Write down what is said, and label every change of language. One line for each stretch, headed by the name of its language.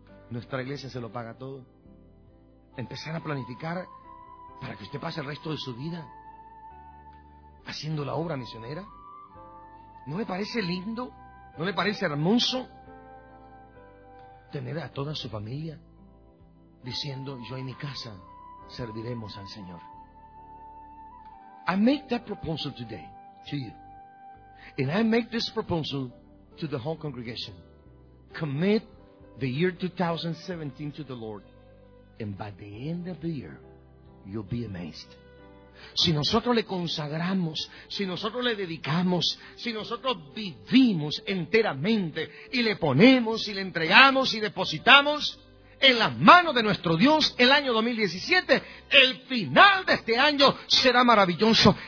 Spanish: Nuestra iglesia se lo paga todo. Empezar a planificar para que usted pase el resto de su vida haciendo la obra misionera. ¿No le parece lindo? ¿No le parece hermoso tener a toda su familia diciendo, yo y mi casa serviremos al Señor?
English: I make that proposal today to you. And I make this proposal to the whole congregation. Commit the year 2017 to the Lord. And by the end of the year, you'll be amazed.
Spanish: Si nosotros le consagramos, si nosotros le dedicamos, si nosotros vivimos enteramente y le ponemos y le entregamos y depositamos en las manos de nuestro Dios el año 2017, el final de este año será maravilloso.